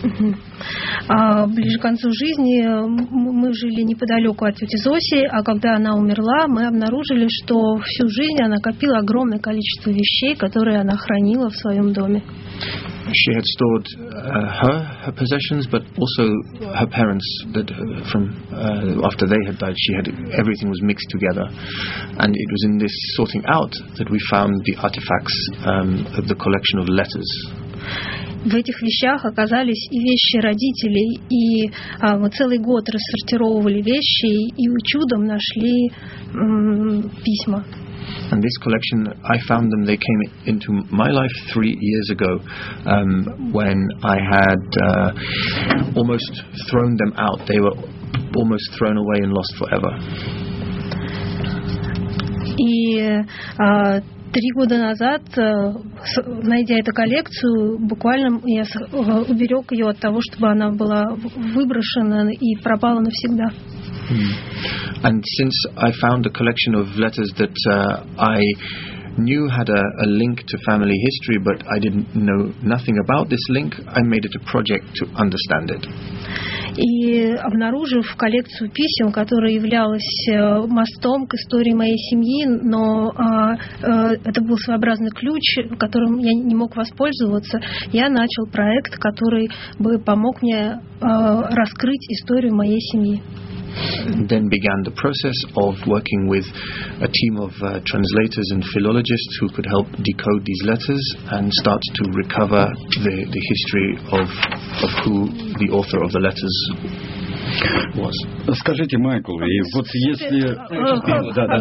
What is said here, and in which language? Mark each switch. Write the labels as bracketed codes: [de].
[ru] Ближе к концу жизни мы жили неподалеку от тети Зоси, а когда она умерла, мы обнаружили, что всю жизнь она копила огромное количество вещей, которые она хранила в своем доме. [en] She had stored her possessions, but also her parents, that from after they had died, she had everything was mixed together, and it was in this sorting out that we found the artifacts, the collection of letters. [ru] В этих вещах оказались и вещи родителей, и мы целый год рассортировывали вещи, и чудом нашли письма. [en] And this collection, I found them, they came into my life 3 years ago, when I had almost thrown them out. They were almost thrown away and lost forever. [ru] И три года назад, найдя эту коллекцию, буквально я уберег ее от того, чтобы она была выброшена и пропала навсегда. [en] And since I found a collection of letters that I knew had a link to family history, but I didn't know nothing about this link, I made it a project to understand it. [ru] И обнаружив коллекцию писем, которая являлась мостом к истории моей семьи, но это был своеобразный ключ, которым я не мог воспользоваться, я начал проект, который бы помог мне раскрыть историю моей семьи. [en] Then began the process of working with a team of translators and philologists who could help decode these letters and start to recover the history of who the author of the letters was. [ru] Скажите, Майкл, и вот если...